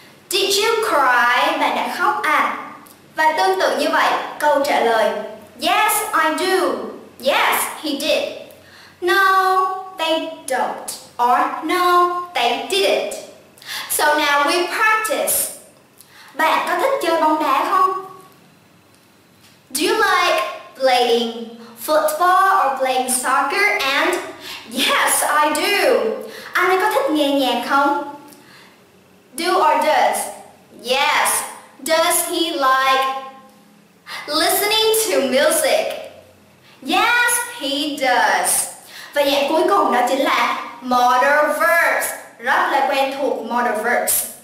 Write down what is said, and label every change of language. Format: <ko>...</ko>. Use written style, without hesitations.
<en>Did you cry?</en> <vi>Bạn đã khóc à? Và tương tự như vậy, câu trả lời</vi> <en>Yes, I do. Yes, he did. No, they don't. Or no, they didn't. So now we practice.</en> <vi>Bạn có thích chơi bóng đá không?</vi> <en>Do you like playing football or playing soccer? And yes, I do.</en> <vi>Anh có thích nghe nhạc không?</vi> <en>Do or does? Yes. Does he like listening to music? Yes, he does.</en> <vi>Và dạng cuối cùng đó chính là modal verbs. Rất là quen thuộc modal verbs.</vi>